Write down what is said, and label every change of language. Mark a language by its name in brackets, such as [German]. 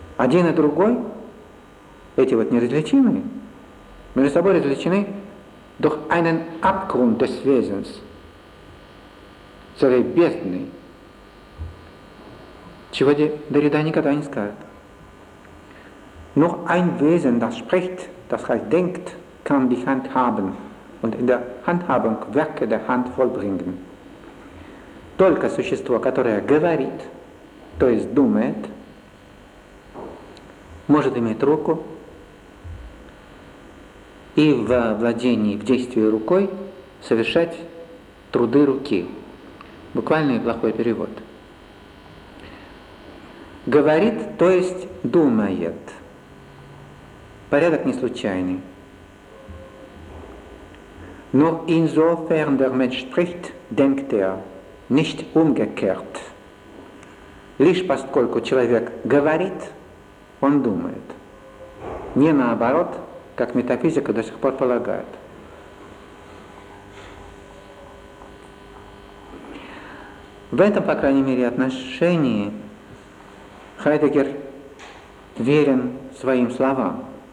[Russian] Один и другой, эти вот неразличимые, между собой различены [German] durch einen Abgrund des Wesens, [Russian] целой бездной, чего Дорида никогда не скажет. [German] Nur ein Wesen, das spricht, das heißt denkt, kann die Hand haben und in der Handhabung Werke der Hand vollbringen. [Russian] Только существо, которое говорит, то есть думает, может иметь руку и во владении, в действии рукой совершать труды руки. Буквально плохой перевод. Говорит, то есть думает. Порядок не случайный. [German] Nur insofern der Mensch spricht, denkt nicht umgekehrt. [Russian] Лишь поскольку человек говорит, он думает. Не наоборот, как метафизика до сих пор полагает. В этом, по крайней мере, отношении Хайдеггер верен своим словам.